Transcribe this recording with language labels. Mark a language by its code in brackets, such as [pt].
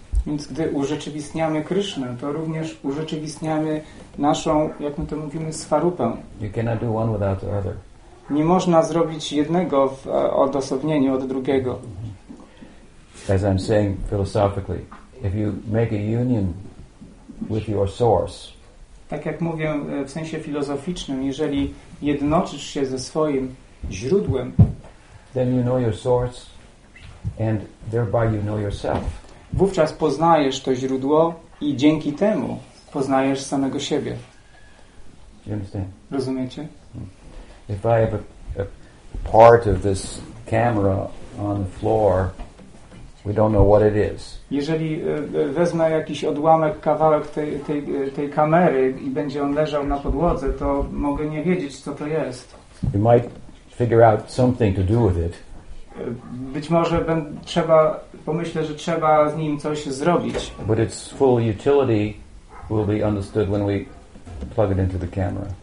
[pl] Więc gdy urzeczywistniamy Krishna, to również urzeczywistniamy naszą, jak my to mówimy, swarupę. [en] You cannot do one without the other. [pl] Nie można zrobić jednego w odosobnieniu od drugiego. [en] As I'm saying philosophically, if you make a union with your source. [pl] Tak jak mówię w sensie filozoficznym, jeżeli jednoczysz się ze swoim źródłem, [en] then you know your source and thereby you know yourself. [pl] Wówczas poznajesz to źródło i dzięki temu poznajesz samego siebie. [en] Do you understand? [pl] Rozumiecie? [en] If I have a part of this camera on the floor, we don't know what it is. [pl] Jeżeli wezmę jakiś odłamek, kawałek tej kamery i będzie on leżał na podłodze, to mogę nie wiedzieć, co to jest. [en] You might figure out something to do with it. [pl] Być może pomyślę, że trzeba z nim coś zrobić. [en] But its full utility will be understood when we plug it into the camera.